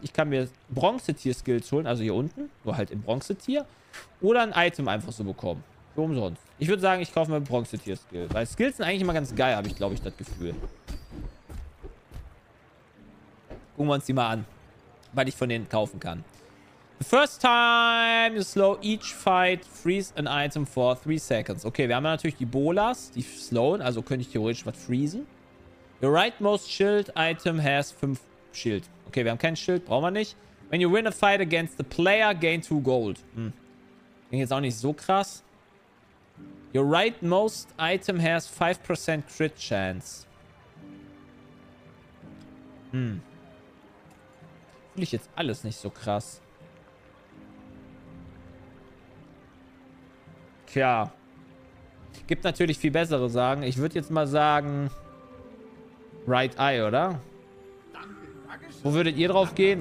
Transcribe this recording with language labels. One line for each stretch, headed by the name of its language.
German: Ich kann mir Bronzetier-Skills holen, also hier unten. Nur halt im Bronzetier. Oder ein Item einfach so bekommen. So umsonst. Ich würde sagen, ich kaufe mir Bronzetier-Skill. Weil Skills sind eigentlich immer ganz geil, habe ich, glaube ich, das Gefühl. Gucken wir uns die mal an. Was ich von denen kaufen kann.
English: The first time you slow each fight, freeze an item for 3 seconds.
German: Okay, wir haben ja natürlich die Bolas, die slowen. Also könnte ich theoretisch was freezen.
English: Your rightmost shield item has 5
German: Schild. Okay, wir haben kein Schild, brauchen wir nicht.
English: When you win a fight against the player, gain 2 gold.
German: Klingt jetzt auch nicht so krass.
English: Your rightmost item has 5% crit chance.
German: Fühl ich jetzt alles nicht so krass. Tja. Gibt natürlich viel bessere Sachen. Ich würde jetzt mal sagen... Right Eye, oder? Wo würdet ihr drauf gehen?